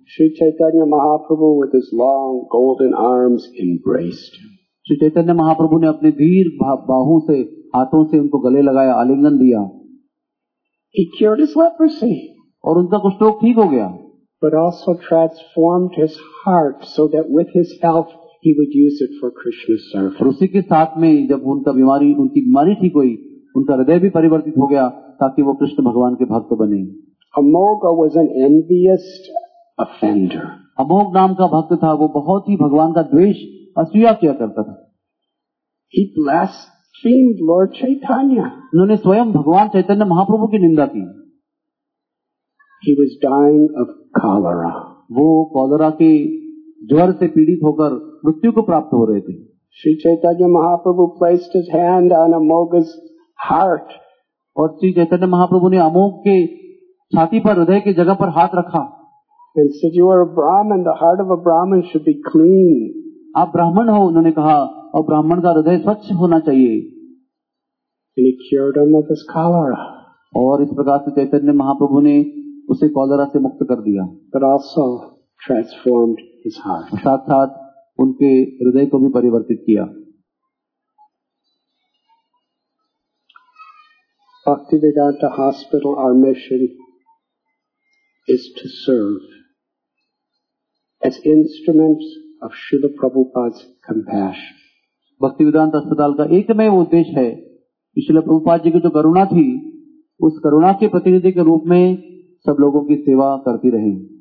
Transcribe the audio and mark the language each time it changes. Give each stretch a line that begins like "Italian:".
English: Shri Chaitanya Mahaprabhu with his long golden arms embraced him.
Hindi: Shri Chaitanya Mahaprabhu ने अपने वीर बाहों से हाथों से उनको गले लगाया आलिंगन दिया
English: He cured his leprosy.
Hindi: और उनका कुष्ठ रोग ठीक हो गया
English: But also transformed his heart so that with his health he would use it for Krishna's service.
Hindi: उसी के साथ में जब उनका बीमारी उनकी बीमारी ठीक हुई उनका हृदय भी परिवर्तित हो गया ताकि वो कृष्ण भगवान के भक्त बने
English: Amogh was an envious offender.
Hindi: अमोघ नाम का भक्त था वो बहुत ही भगवान का द्वेष असूया किया करता था
English: He blasphemed Lord Chaitanya.
Hindi: उन्होंने स्वयं भगवान चैतन्य महाप्रभु की निंदा की
English: He was dying of cholera.
Hindi: वो कॉलरा के ज्वर से पीड़ित होकर मृत्यु को प्राप्त हो रहे थे
English: Shri Chaitanya Mahaprabhu placed his hand on Amogha's heart.
Hindi: और श्री चैतन्य महाप्रभु ने अमोघ के छाती पर हृदय की जगह पर हाथ रखा
English: And said, "You are a Brahmin. The heart of a Brahmin should be clean."
Hindi: आप ब्राह्मण हो उन्होंने कहा और ब्राह्मण का हृदय स्वच्छ होना चाहिए
English: And he cured him of his cholera.
Hindi: और इस प्रकार से चैतन्य महाप्रभु ने उसे कॉलरा से मुक्त कर दिया
English: But also transformed his heart.
Hindi: साथ साथ उनके हृदय को भी परिवर्तित किया
English: Bhaktivedanta Hospital, our mission is to serve as instruments of Srila Prabhupada's compassion.
Hindi: Bhaktivedanta Hospital का एकमेव उद्देश्य है कि Srila Prabhupada जी की जो करुणा थी उस करुणा के प्रतिनिधि के रूप में सब लोगों की सेवा करती रहे